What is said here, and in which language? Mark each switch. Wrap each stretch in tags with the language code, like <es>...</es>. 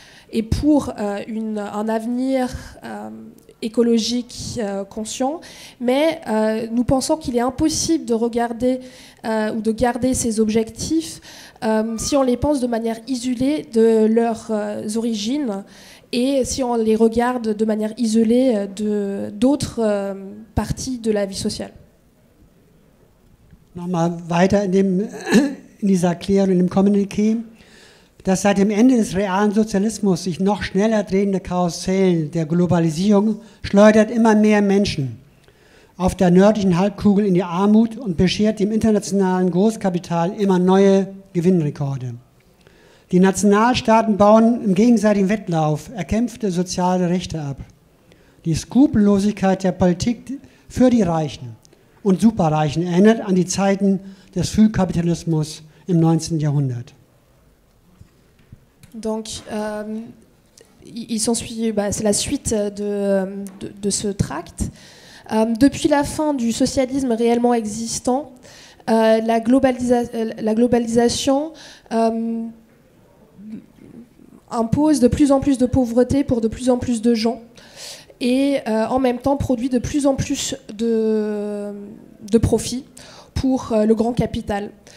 <fr>et pour un avenir écologique conscient, mais nous pensons qu'il est impossible de regarder ou de garder ces objectifs si on les pense de manière isolée de leurs origines et si on les regarde de manière isolée de d'autres parties de la vie sociale.</fr> <de>Nochmal weiter in dieser Erklärung, in dem Kommuniqué, dass seit dem Ende des realen Sozialismus sich noch schneller drehende Karussell der Globalisierung schleudert immer mehr Menschen auf der nördlichen Halbkugel in die Armut und beschert dem internationalen Großkapital immer neue Gewinnrekorde. Die Nationalstaaten bauen im gegenseitigen Wettlauf erkämpfte soziale Rechte ab. Die Skrupellosigkeit der Politik für die Reichen und Superreichen erinnert an die Zeiten des Frühkapitalismus im 19. Jahrhundert.</de> <fr>Donc, ils sont suivis, c'est la suite de ce tract. Depuis la fin du socialisme réellement existant, la globalisation impose de plus en plus de pauvreté pour de plus en plus de gens et en même temps produit de plus en plus de profits pour le grand capital.</fr>